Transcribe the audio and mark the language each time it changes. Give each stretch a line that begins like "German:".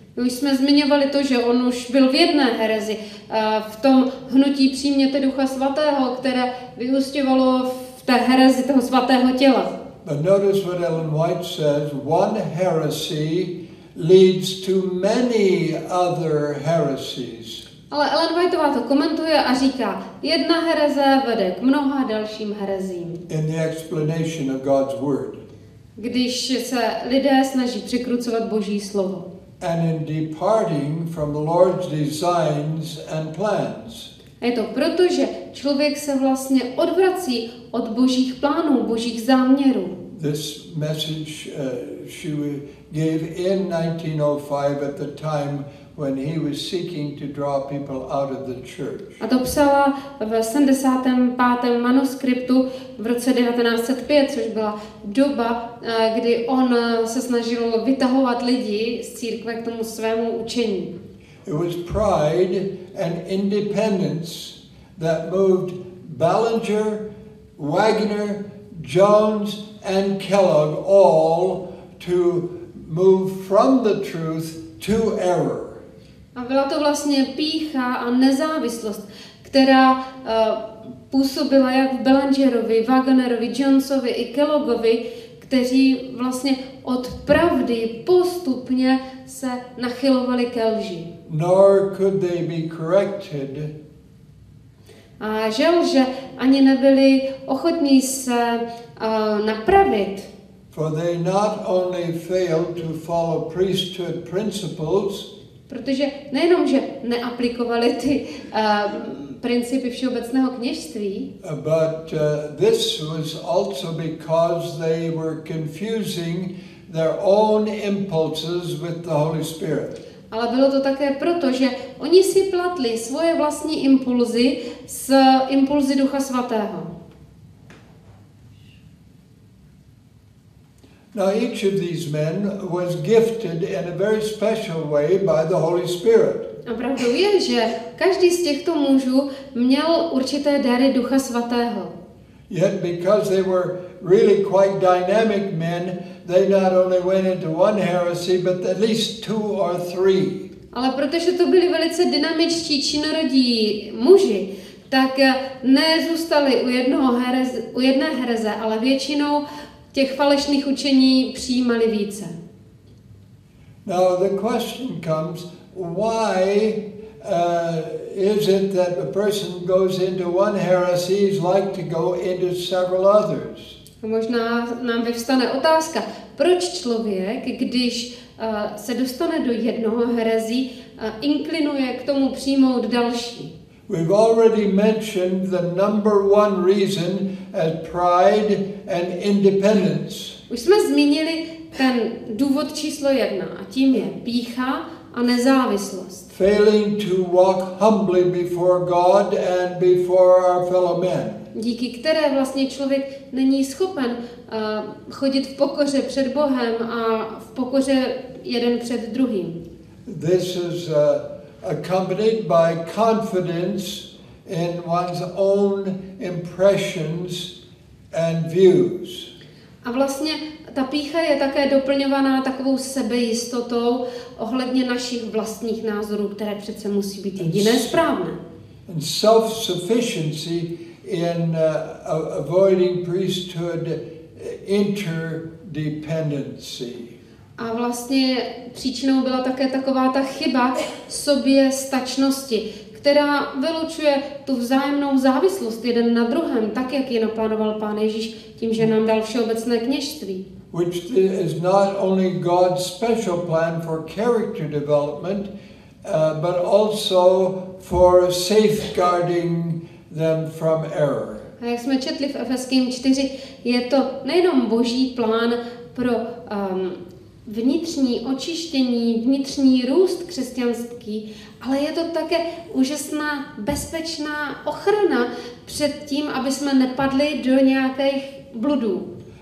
Czech: Už jsme zmiňovali to, že on už byl v jedné herezi, v tom hnutí přijměte Ducha Svatého, které vyústěvalo v té herezi toho svatého těla.
English: But notice what Ellen White says, one heresy leads to many other heresies.
Czech: Ale Ellen Whiteová to komentuje a říká, jedna hereze vede k mnoha dalším herezím.
English: In the explanation of God's word.
Czech: Když se lidé snaží překrucovat Boží slovo.
English: And in departing from the Lord's designs and plans.
Czech: Je to proto, že člověk se vlastně odvrací od Božích plánů, Božích záměrů.
English: This message she gave in 1905 at the time when he was seeking to draw people out of the church.
Czech: A to psala v 75. manuskriptu v roce 1905, což byla doba, kdy on se snažil vytahovat lidi z církve k tomu svému učení.
English: It was pride and independence that moved Ballinger, Wagner, Jones and Kellogg all to move from the truth to error.
Czech: A byla to vlastně pýcha a nezávislost, která působila jak v Ballingerovi, Wagnerovi, Jonesovi i Kelloggovi, kteří vlastně od pravdy postupně se nachylovali ke lži.
English: Nor could they be corrected.
Czech: A žel, že ani nebyli ochotní se napravit.
English: For they not only failed to follow priesthood principles,
Czech: protože nejenom, že neaplikovali ty principy všeobecného kněžství,
English: but this was also because they were confusing their own impulses with the Holy Spirit.
Czech: Ale bylo to také proto, že oni si platli svoje vlastní impulzy s impulzy Ducha Svatého.
English: Now each of these men was gifted in a very special way by the Holy Spirit.
Czech: A pravdou je, že každý z těchto mužů měl určité dary Ducha Svatého.
English: Yet because they were really quite dynamic men, they not only went into one heresy, but at least two or three.
Czech: Ale protože to byli velice dynamičtí činorodí muži, tak nezůstali u jedné hereze, ale většinou těch falešných učení přijímali více.
English: Now the question comes, why is it that a person goes into one heresy is like to go into several others?
Czech: Možná nám vyvstane otázka, proč člověk, když se dostane do jednoho herezí, inklinuje k tomu přijmout další.
English: We've already mentioned the number one reason as pride and independence.
Czech: Už jsme zmínili ten důvod číslo jedna, a tím je pýcha a nezávislost.
English: Failing to walk humbly before God and before our fellow men.
Czech: Díky které vlastně člověk není schopen chodit v pokoře před Bohem a v pokoře jeden před druhým.
English: This is accompanied by confidence in one's own impressions and views.
Czech: A vlastně ta pýcha je také doplňovaná takovou sebejistotou ohledně našich vlastních názorů, které přece musí být jediné správné.
English: And self-sufficiency in avoiding priesthood interdependency.
Czech: A vlastně příčinou byla také taková ta chyba soběstačnosti, která vylučuje tu vzájemnou závislost jeden na druhém, tak jak ji naplánoval Pán Ježíš tím, že nám dal všeobecné kněžství.
English: Which is not only God's special plan for character development, but also for safeguarding them from error.
Czech: A jak jsme četli v Efeským 4, je to nejenom Boží plán pro vnitřní očištění, vnitřní růst křesťanský, ale je to také úžasná bezpečná ochrana před tím, aby jsme nepadli do nějakých bludů.